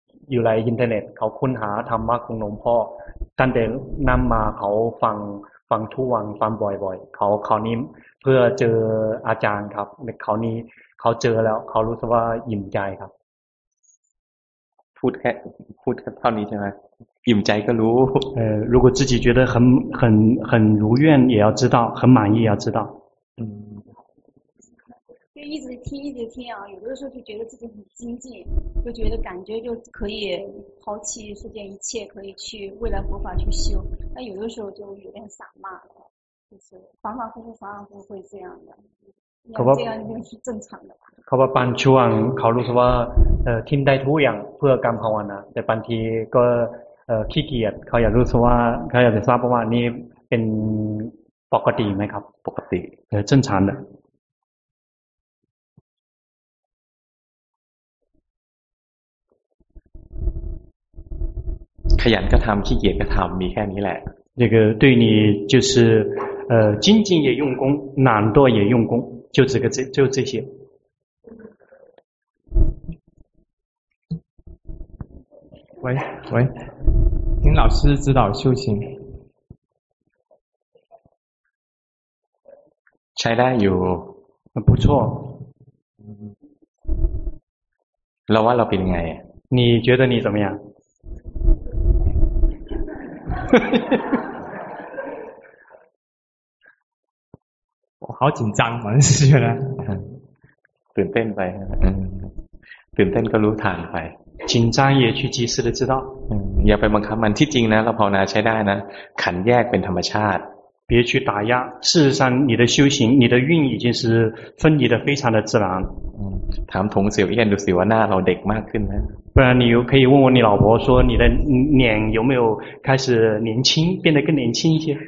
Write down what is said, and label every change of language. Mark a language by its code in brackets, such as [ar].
[th] อยู่ในอินเทอร์เน็ตเขาค้นหาธรรมะของหลวงพ่อตั้งแต่นำมาเขาฟังทุกวันฟังบ่อยๆเขานี้เพื่อเจออาจารย์ครับเขานี้เขาเจอแล้วเขารู้สึกว่าอิ่มใจครับ พูดแค่เท่านี้ใช่ไหมอิ่มใจก็รู้ [zh] 如果自己觉得很如愿也要知道很满意也要知道就一直听一直听啊有的时候就觉得自己很精进就觉得感觉就可以抛弃世间一切可以去未来佛法去修那有的时候就有点散漫了反反复复，反反复复会这样的，这样就是正常的。 [th] เขาว่าบางช่วงเขารู้สึกว่าทิ้งได้ทุกอย่างเพื่อการภาวนาแต่บางทีก็ขี้เกียจเขาอยากรู้สึกว่าเขาอยากจะทราบว่านี่เป็นปกติไหมครับ ปกติ [zh] 正常的 [th] ขยันก็ทำขี้เกียจก็ทำมีแค่นี้แหละ [zh] 这个对你就是精进也用功，懒惰也用功，就这个就这些。喂喂，请老师指导修行。 [th] ใช้ได้อยู่。 [zh] 不错。 [th] เราว่าเราเป็นไง？ [zh] 你觉得你怎么样？我好紧张，完事了。 [th] ตื่นเต้นไป，ตื่นเต้นก็รู้ทันไป。 [zh] 紧张也去及时的知道。 [th] อย่าไปบังคับมันที่จริงนะเราภาวนาใช้ได้นะขันแยกเป็นธรรมชาติ。 [zh] 别去打压，事实上你的修行，你的运已经是分离的非常的自然。 [th] ถามถงเสี่ยวเอี้ยนดูสิว่าหน้าเราเด็กมากขึ้นไหม？ [zh] 不然你可以问问你老婆说你的脸有没有开始年轻，变得更年轻一些？